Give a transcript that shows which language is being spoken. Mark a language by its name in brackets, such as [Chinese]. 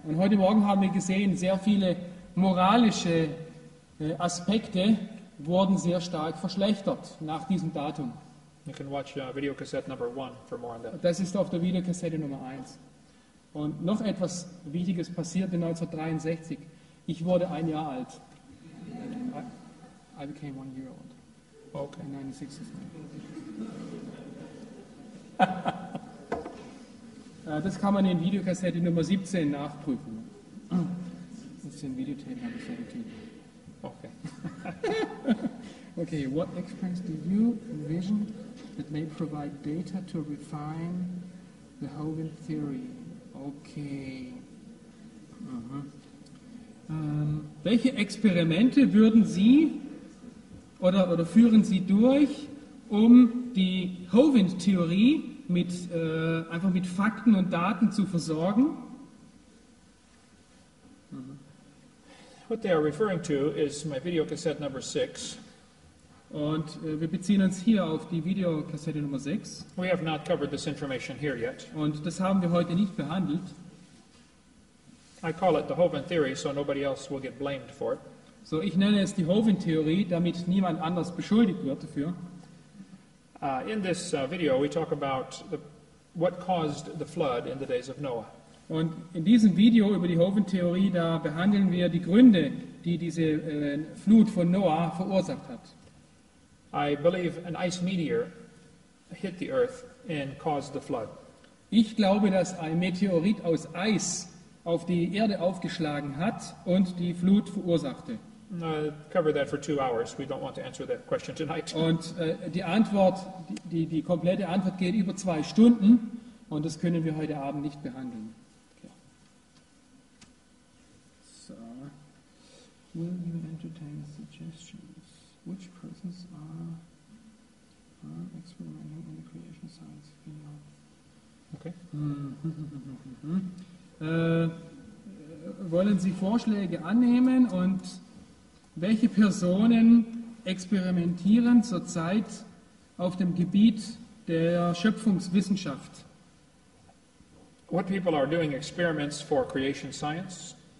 [German] Und heute Morgen haben wir gesehen, sehr viele moralische Aspekte wurden sehr stark verschlechtert nach diesem Datum. [English] You can watch video cassette number 1 for more on that. [German] Das ist auf der Videokassette Nummer 1. Und noch etwas Wichtiges passierte 1963. Ich wurde ein Jahr alt. [English] I became 1 year old. Okay. In 1963. [German] Das kann man in Videokassette Nummer 17 nachprüfen. 17 Videotape Nummer 17. [English] Okay. Okay, what experience do you envision that may provide data to refine the Hovind theory? Okay. [German] Welche Experimente würden Sie oder führen Sie durch, um die Hovind-Theorie mit einfach mit Fakten und Daten zu versorgen? [English] What they are referring to is my video cassette number 6. [German] Und wir beziehen uns hier auf die Videokassette Nummer 6. [English] We have not covered this information here yet. [German] Und das haben wir heute nicht behandelt. [English] I call it the Hovind theory, so nobody else will get blamed for it. [German] So, ich nenne es die Hovind-Theorie, damit niemand anders beschuldigt wird dafür. [English] In this video we talk about what caused the flood in the days of Noah. [German] Und in diesem Video über die Hovind-Theorie, da behandeln wir die Gründe, die diese Flut von Noah verursacht hat. [English] I believe an ice meteor hit the earth and caused the flood. [German] Ich glaube, dass ein Meteorit aus Eis auf die Erde aufgeschlagen hat und die Flut verursachte. [English] Cover that for 2 hours. We don't want to answer that question tonight. [German] Und die Antwort, die komplette Antwort geht über 2 Stunden und das können wir heute Abend nicht behandeln. [English] Okay. So, will you entertain suggestions? Which persons are experimenting in the creation science field? Okay. [German] Wollen Sie Vorschläge annehmen und welche Personen experimentieren zurzeit auf dem Gebiet der Schöpfungswissenschaft? [English] What people are doing experiments for creation science?